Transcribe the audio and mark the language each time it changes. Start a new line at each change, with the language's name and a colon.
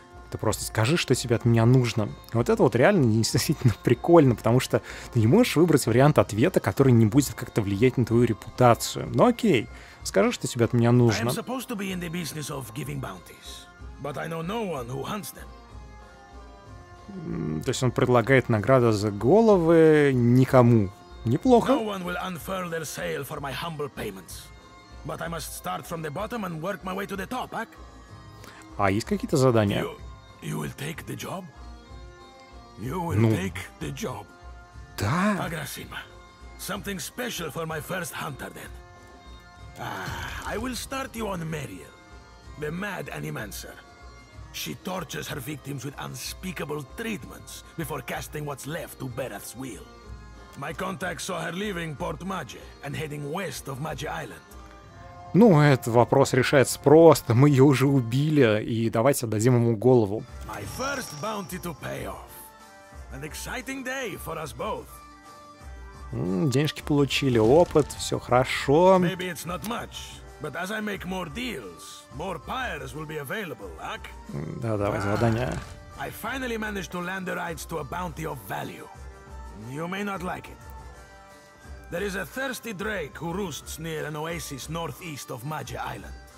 Russian: Ты просто скажи, что тебе от меня нужно. Вот это вот реально действительно прикольно, потому что ты не можешь выбрать вариант ответа, который не будет как-то влиять на твою репутацию. Ну окей, скажи, что тебе от меня нужно.
English: I am supposed to be in the business of giving bounties, but I know no one who hunts them.
Russian: То есть он предлагает награду за головы никому. Неплохо.
English: No one will unfurl their sail for my humble payments. But I must start from the bottom and work my way to the top, ak?
Russian: А есть какие-то задания?
English: You will take the job? You will take the job?
Russian: Да.
English: Agrasima. Something special for my first hunter, then. I will start you on Meriel, the mad animancer. She tortures her victims with unspeakable treatments before casting what's left to Bereth's will. My contact saw her leaving Port Maje and heading west of Maje Island.
Russian: Ну, этот вопрос решается просто. Мы ее уже убили, и давайте отдадим ему голову.
English: My first bounty to pay off. An exciting day for us both.
Russian: Денежки получили, опыт, все хорошо.
English: Maybe it's not much, but as I make more deals, more pyres will be available, ak?
Russian: Да, давай задание.
English: I finally managed to land the rights to a bounty of value. You may not like it. There is a thirsty drake who roosts near an oasis northeast of Magia Island.